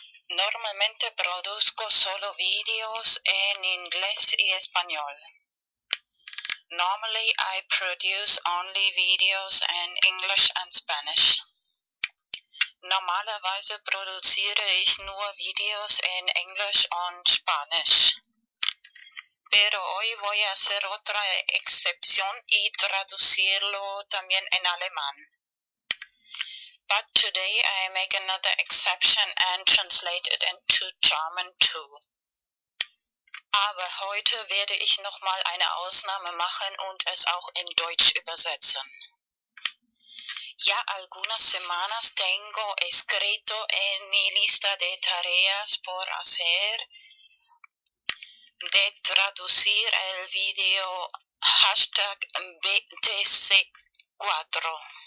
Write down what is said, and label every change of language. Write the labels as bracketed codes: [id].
[es] Normalmente produzco solo videos en inglés y español. [en] Normally I produce only videos in English and Spanish. [de] Normalerweise produziere ich nur Videos in Englisch und Spanisch. [es] Pero hoy voy a hacer otra excepción y traducirlo también en alemán. [en] But today I make another exception and translate it into German too. [de] Aber heute werde ich nochmal eine Ausnahme machen und es auch in Deutsch übersetzen. [es] Ya algunas semanas tengo escrito en mi lista de tareas por hacer de traducir el video hashtag BTC4.